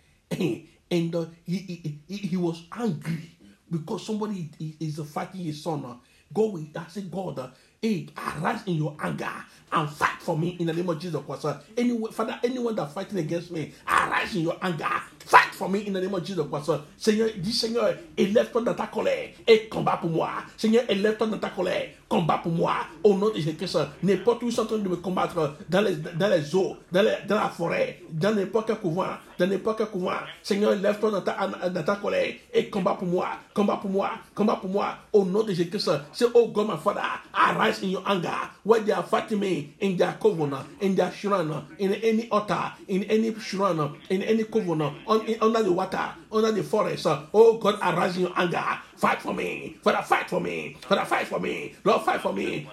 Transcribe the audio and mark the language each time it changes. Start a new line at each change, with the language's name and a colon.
English: And he was angry because somebody is fighting his son. God, arise in your anger and fight for me in the name of Jesus Christ. Anyone that fighting against me, arise in your anger. Fight for me in the name of Jesus Christ.
French: Seigneur, dis Seigneur, élève-toi dans ta colère et combat pour moi. Seigneur, élève-toi dans ta colère, combat pour moi. Au nom de Jésus-Christ, n'importe où ils sont en train de me combattre, dans les eaux, dans la forêt, dans n'importe quel couvent, dans n'importe quel couvent. Seigneur, élève-toi dans ta colère et combat pour moi, combat pour moi, combat pour moi. Au nom de Jésus-Christ,
English: say, oh God, my Father, arise in your anger. Where they are fighting me in their coven, in their shrine, in any altar, in any shrine, in any coven, under the water, under the forest. Oh God, arise in your anger. Fight for me. Father, fight for me. Father, fight for me. Lord, fight for me.